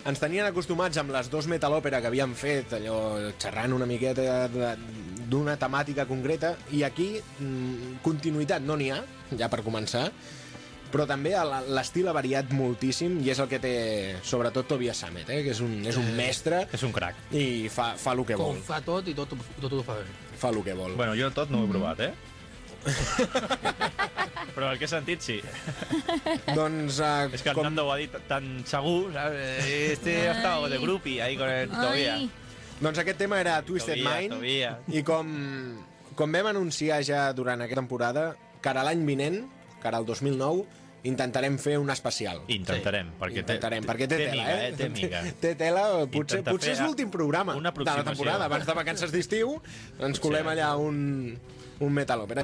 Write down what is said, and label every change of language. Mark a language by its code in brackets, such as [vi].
[ca] Ens tenien acostumats amb les dues metal òpera que havíem fet, allò xerrant una miqueta d'una temàtica concreta, i aquí continuïtat no n'hi ha, ja per començar, però també l'estil ha variat moltíssim i és el que té, sobretot, Tobias Sammet, que és un mestre. És un crac. I fa el que com vol. Com fa tot i tot ho fa bé. Fa el que vol. Bueno, jo tot no ho he provat, eh? Però el que he sentit, sí. Doncs... És que com... el Nando ho ha dit tan segur, saps? [es] Este ha estado de grupi, ahí con el Tobias. [ca] Doncs aquest tema era Twisted Tobias, Mind. Tobias. I com vam anunciar ja durant aquesta temporada, que ara l'any vinent, que ara el 2009, intentarem fer un especial. Intentarem, sí. Perquè intentarem, perquè té tela, miga, té mica. Té tela, potser és l'últim programa de la temporada. Abans de vacances d'estiu, ens colem allà un metal opera.